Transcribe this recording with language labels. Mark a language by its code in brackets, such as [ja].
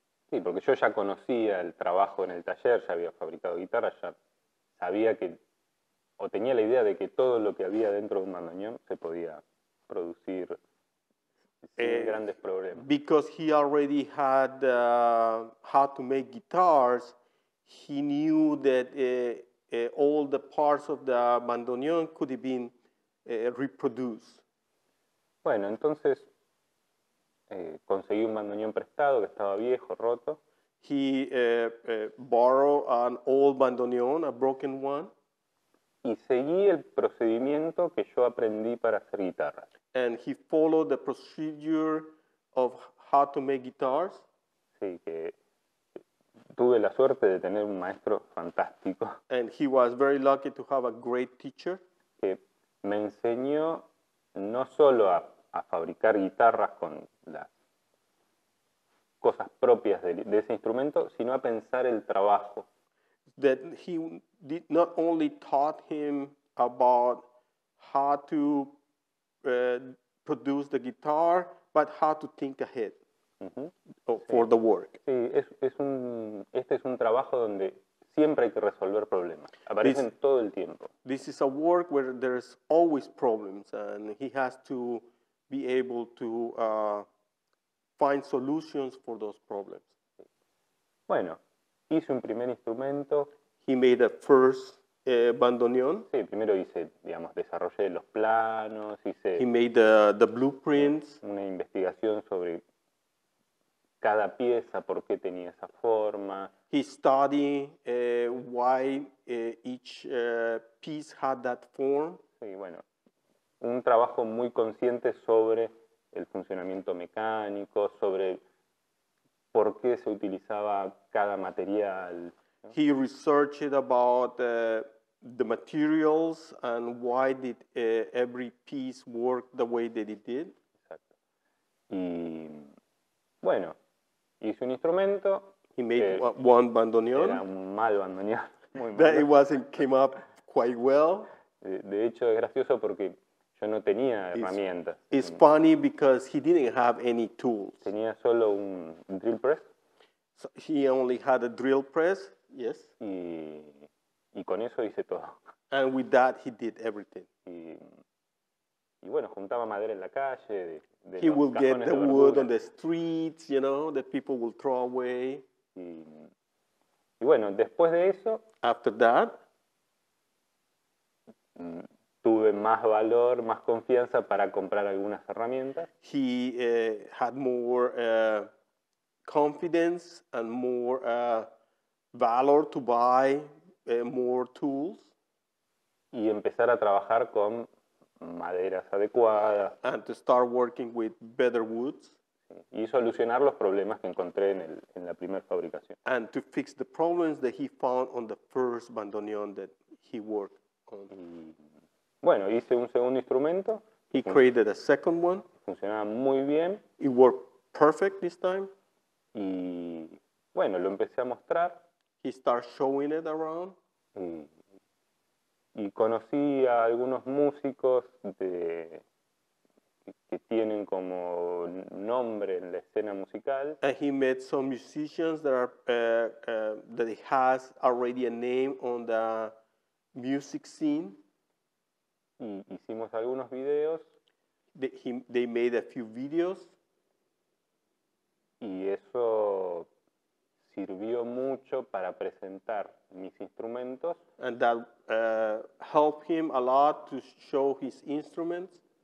[es] Sí, porque yo ya conocía el trabajo en el taller, ya había fabricado guitarras, ya sabía que, o tenía la idea de que todo lo que había dentro de un bandoneón se podía producir sin grandes problemas. [en] Because he already had how to make guitars, he knew that all the parts of the bandoneon could have been reproduced. [es] Bueno, entonces conseguí un bandoneón prestado que estaba viejo, roto. [en] He borrowed an old bandoneon, a broken one. [es] Y seguí el procedimiento que yo aprendí para hacer guitarras. [en] And he followed the procedure of how to make guitars. [es] Sí, que tuve la suerte de tener un maestro fantástico. [en] And he was very lucky to have a great teacher. [es] Que me enseñó no solo a fabricar guitarras con las cosas propias de ese instrumento, sino a pensar el trabajo. [en] That he did not only taught him about how to produce the guitar, but how to think ahead for the work. [es] Sí, este es un trabajo donde siempre hay que resolver problemas. Aparecen todo el tiempo. [en] This is a work where there's always problems, and he has to be able to find solutions for those problems. [es] Bueno, hice un primer instrumento. [en] He made a first bandoneon. [es] Sí, primero hice, digamos, desarrollé los planos, hice... [en] He made the blueprints. [es] Una investigación sobre cada pieza, por qué tenía esa forma. [en] He studied why each piece had that form. [es] Sí, bueno, un trabajo muy consciente sobre el funcionamiento mecánico, sobre por qué se utilizaba cada material. [en] He researched about the materials and why did every piece work the way that it did. [es] Exacto. Y bueno, hizo un instrumento. [en] He made one bandoneon. [es] Era un mal bandoneon. [en] That it wasn't came up quite well. [es] De hecho, es gracioso porque yo no tenía herramientas. [en] It's funny because he didn't have any tools. [es] Tenía solo un drill press. [en] So he only had a drill press. Yes. [es] Y con eso hice todo. [en] And with that he did everything. [es] Y bueno, juntaba madera en la calle. [en] He will get the wood on the streets, you know, that people will throw away. [es] Y bueno, después de eso. [en] After that. [es] Tuve más valor, más confianza para comprar algunas herramientas. [en] He had more confidence and more valor to buy more tools. [es] Y empezar a trabajar con maderas adecuadas. [en] And to start working with better woods. [es] Y solucionar los problemas que encontré en la primera fabricación. [en] And to fix the problems that he found on the first bandoneon that he worked on. [es] Bueno, hice un segundo instrumento. [en] He created a second one. [es] Funcionaba muy bien. [en] It worked perfect this time. [es] Y bueno, lo empecé a mostrar. [en] He started showing it around. [es] Y conocí a algunos músicos que tienen como nombre en la escena musical. [en] And he met some musicians that are that he has already a name on the music scene. [es] Y hicimos algunos videos. [en] They made a few videos. [es] Y eso sirvió mucho para presentar mis instrumentos. [en] And that helped him a lot to show his instruments.